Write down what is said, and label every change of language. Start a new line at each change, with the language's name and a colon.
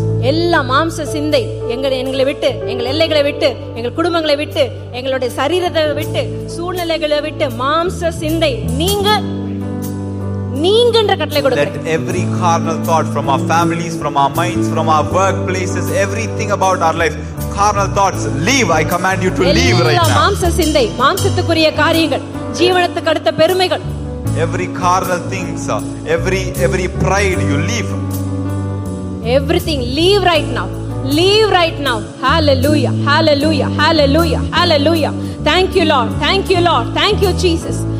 Tamil: எல்லா மாம்ச சிந்தை எங்களை விட்டு, எங்கள் எல்லைகளை விட்டு, எங்கள் குடும்பங்களை விட்டு, எங்களுடைய சரீரத்தை விட்டு, சூழ்நிலைகளை விட்டு, மாம்ச சிந்தை நீங்க நீங்கன்ற கட்டளை கொடுங்க.
English: Let every carnal thought from our families, from our minds, from our workplaces, everything about our life, carnal thoughts, leave. I command you to leave right now.
Tamil: எல்லா மாம்ச சிந்தை, மாம்சத்துக்குரிய காரியங்கள், ஜீவனத்துக்கு அடுத்த பெருமைகள்,
English: every carnal things, every pride, you leave everything, leave right now. Leave right now. Hallelujah. Hallelujah. Hallelujah. Hallelujah. Thank you, Lord. Thank you, Lord. Thank you, Jesus.